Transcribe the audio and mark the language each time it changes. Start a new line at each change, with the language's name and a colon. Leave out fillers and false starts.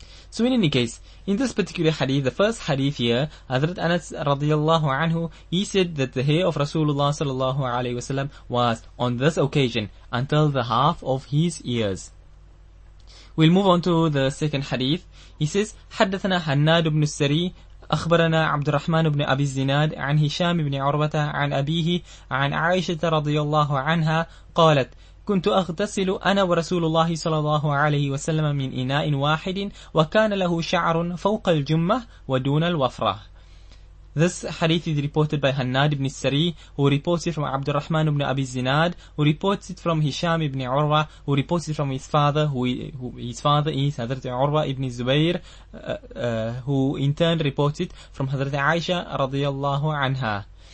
English: So in any case, in this particular hadith, the first hadith here, Hazrat Anas radiallahu anhu, he said that the hair of Rasulullah sallallahu alayhi wasallam was on this occasion until the half of his ears. We'll move on to the second hadith. He says,
Arabic: حَدَّثَنَا حَنَّادُ بْنُ السَّرِي أَخْبَرَنَا عَبْدُ الرَّحْمَنُ بْنِ أَبِي الزِّنَادِ عَنْ هِشَامِ بْنِ عُرْوَةَ عَنْ أَبِيهِ عَنْ عَائِشَةَ رَضِيَ عَنْهَا قَالَتْ كنت أغتسل أنا ورسول الله صلى الله عليه وسلم من إناء واحد وكان له شعر فوق الجمة ودون الوفرة.
English: This hadith is reported by Hannad ibn Sari, who reports it from Abdul Rahman ibn Abi Zinad, who reports it from Hisham ibn Urwa, who reports it from his father, who his father is Hazrat Urwa ibn Zubair, who in turn reports it from Hazrat Aisha radiallahu anha.